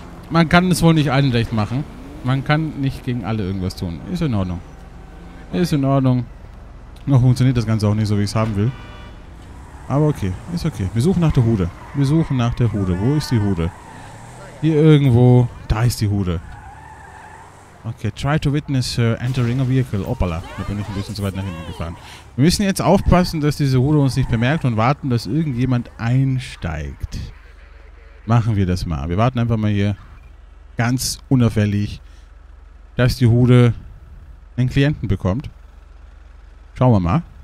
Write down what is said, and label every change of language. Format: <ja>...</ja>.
<de>Man kann es wohl nicht allen recht machen. Man kann nicht gegen alle irgendwas tun. Ist in Ordnung. Ist in Ordnung. Noch funktioniert das Ganze auch nicht so, wie ich es haben will. Aber okay, ist okay. Wir suchen nach der Hude. Wir suchen nach der Hude. Wo ist die Hude? Hier irgendwo. Da ist die Hude.</de> <en>Okay, try to witness her entering a vehicle.</en> <de>Hoppala, da bin ich ein bisschen zu weit nach hinten gefahren. Wir müssen jetzt aufpassen, dass diese Hude uns nicht bemerkt und warten, dass irgendjemand einsteigt. Machen wir das mal. Wir warten einfach mal hier ganz unauffällig, dass die Hude einen Klienten bekommt. Schauen wir mal.</de>